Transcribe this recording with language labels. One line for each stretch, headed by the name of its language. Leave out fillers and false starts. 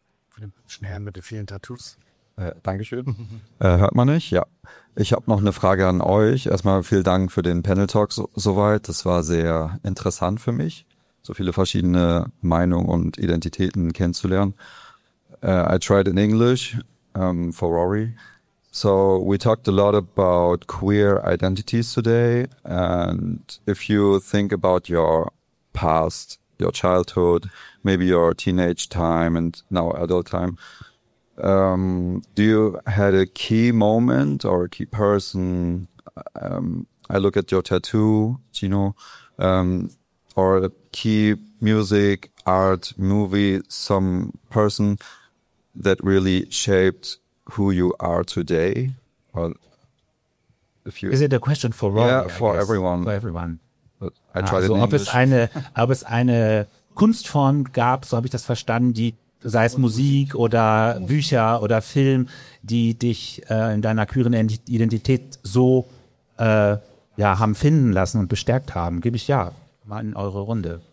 German: Von dem Schnären mit den vielen Tattoos. Dankeschön. Hört man nicht? Ja. Ich habe noch eine Frage an euch. Erstmal vielen Dank für den Panel-Talk soweit. Das war sehr interessant für mich, so viele verschiedene Meinungen und Identitäten kennenzulernen.
English: I tried in English for Rory. So we talked a lot about queer identities today. And if you think about your past, your childhood, maybe your teenage time and now adult time, do you had a key moment or a key person? I look at your tattoo, Gino, or a key music, art, movie, some person that really shaped who you are today? Or if you, is it a question for Rory? Yeah, for everyone. For everyone. But I tried in English.
German: ob es eine Kunstform gab, so habe ich das verstanden, die sei es Musik oder Bücher oder Film, die dich in deiner queeren Identität so ja, haben finden lassen und bestärkt haben, gebe ich ja mal in eure Runde.